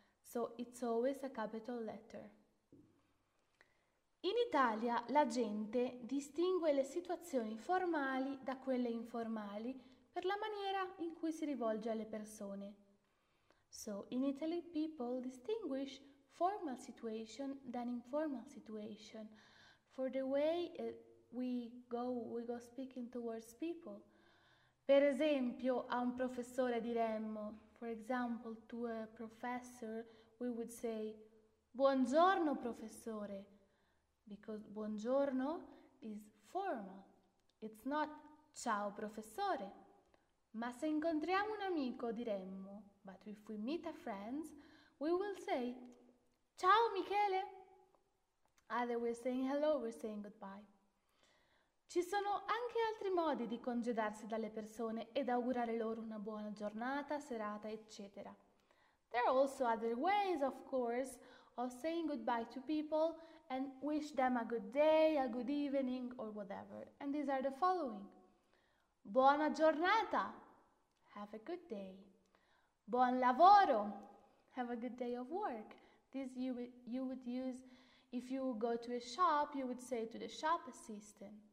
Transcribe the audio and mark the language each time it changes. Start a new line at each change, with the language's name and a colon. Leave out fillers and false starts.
English: So it's always a capital letter.
Italian: In Italia la gente distingue le situazioni formali da quelle informali per la maniera in cui si rivolge alle persone.
English: So, in Italy, people distinguish formal situation than informal situation for the way we go speaking towards people.
Italian: Per esempio, a un professore diremmo,
English: for example, to a professor, we would say, buongiorno professore, because buongiorno is formal. It's not ciao professore.
Italian: Ma se incontriamo un amico, diremmo,
English: but if we meet a friend, we will say, ciao Michele! Either we're saying hello, we're saying goodbye.
Italian: Ci sono anche altri modi di congedarsi dalle persone ed augurare loro una buona giornata, serata, eccetera.
English: There are also other ways, of course, of saying goodbye to people and wish them a good day, a good evening, or whatever. And these are the following. Buona giornata, have a good day. Buon lavoro, have a good day of work. This you would use if you go to a shop, you would say to the shop assistant.